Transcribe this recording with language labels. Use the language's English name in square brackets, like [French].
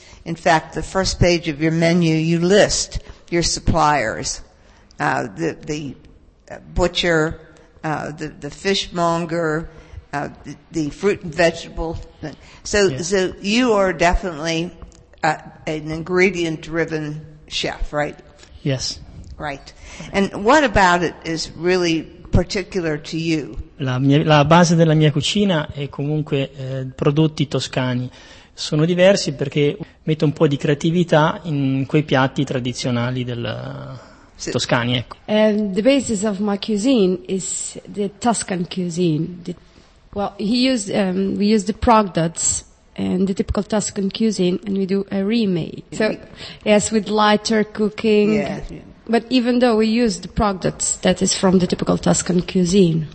[English] In fact, the first page of your menu, you list your suppliers, the butcher, the fishmonger, the fruit and vegetable. So you are definitely an ingredient-driven chef, right? Yes. Right. And what about it is really particular to you? [Italian] La base della mia cucina è comunque prodotti toscani. Sono diversi perché metto un po' di creatività in quei piatti tradizionali della Toscani, ecco. [English] The basis of my cuisine is the Tuscan cuisine. We use the products and the typical Tuscan cuisine, and we do a remake. So, yes, with lighter cooking. Yeah. But even though we use the products that is from the typical Tuscan cuisine.